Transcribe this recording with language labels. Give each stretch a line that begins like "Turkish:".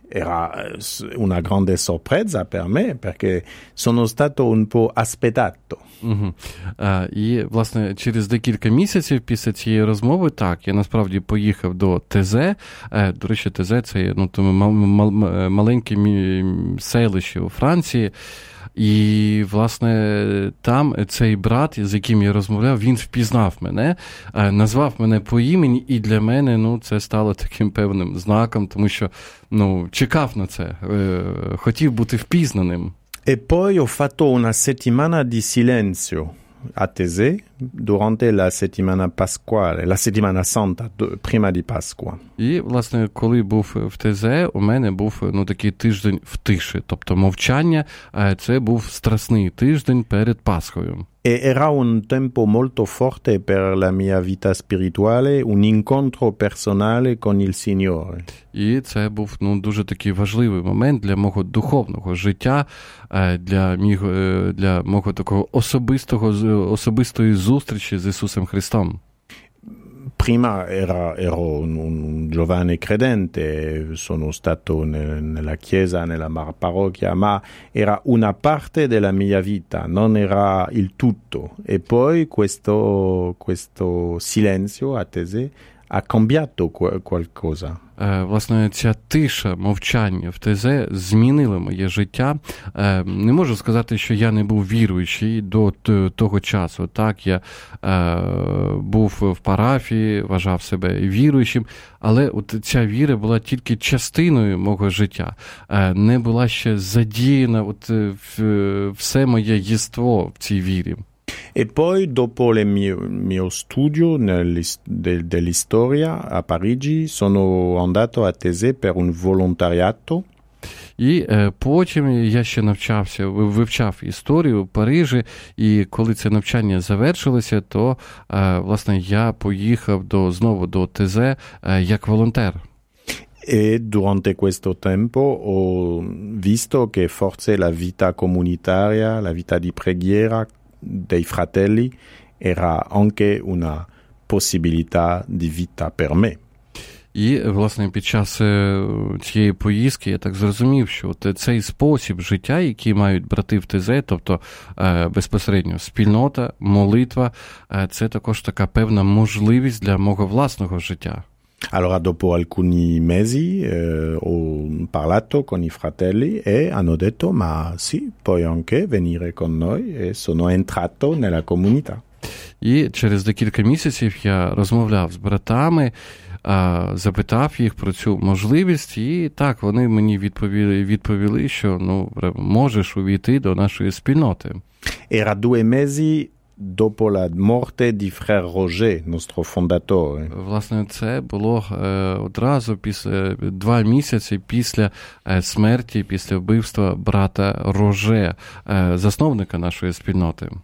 Italian: Era una grande sorpresa per me, perché sono stato un po' aspettato.
Ukrainian: І, власне, через декілька місяців після цієї розмови, так, я насправді поїхав до Тезе. До речі, Тезе – це маленьке селище у Франції. І, власне, там цей брат, з яким я розмовляв, він впізнав мене, назвав мене по імені, і для мене, ну, це стало таким певним знаком, тому що, ну, чекав на це, хотів бути впізнаним.
Italian: E poi ho fatto una settimana di silenzio a Tese durante la settimana pasquale, la settimana santa prima di Pasqua.
Ukrainian: І, власне, коли був в Тезе, у мене був, ну, такий тиждень в тиші, тобто мовчання, а це був страсний тиждень перед Пасхою.
Italian: E era un tempo molto forte per la mia vita spirituale, un incontro personale con il Signore.
Ukrainian: І це був, ну, дуже такий важливий момент для мого духовного життя, для мого такого особистої зустрічі з Ісусом Христом.
Italian: Prima ero un giovane credente, sono stato nella chiesa, nella parrocchia, ma era una parte della mia vita, non era il tutto. E poi questo silenzio a Tese ha cambiato qualcosa.
Ukrainian: Власне, ця тиша, мовчання в Тезе змінило моє життя. Не можу сказати, що я не був віруючий до того часу. Так, я був в парафії, вважав себе віруючим, але от ця віра була тільки частиною мого життя. Не була ще задіяна от все моє єство в цій вірі.
Italian: E poi dopo il mio studio dell'istoria a Parigi sono andato a Tese per un volontariato.
Ukrainian: І потім я ще навчався, вивчав історію в Парижі, і коли це навчання завершилося, то, власне, я поїхав знову до Тезе як волонтер.
Italian: E durante questo tempo ho visto che forse la vita comunitaria, la vita di preghiera dei fratelli era anche una possibilità di vita per me.
Ukrainian: І, власне, під час цієї поїздки я так зрозумів, що цей спосіб життя, який мають брати в Тезе, тобто безпосередньо спільнота, молитва, це також така певна можливість для мого власного життя.
Italian: Allora, dopo alcuni mesi ho parlato con i fratelli e hanno detto, ma sì, puoi anche venire con noi, e sono entrato nella comunità.
Ukrainian: І через декілька місяців я розмовляв з братами, запитав їх про цю можливість, і так, вони мені відповіли, що, ну, можеш увійти до нашої спільноти.
Italian: Era due mesi dopo la morte di frère Roger, nostro fondatore.
Ukrainian: Власне, це було одразу після 2 місяці після смерті, після вбивства брата Роже, засновника нашої спільноти.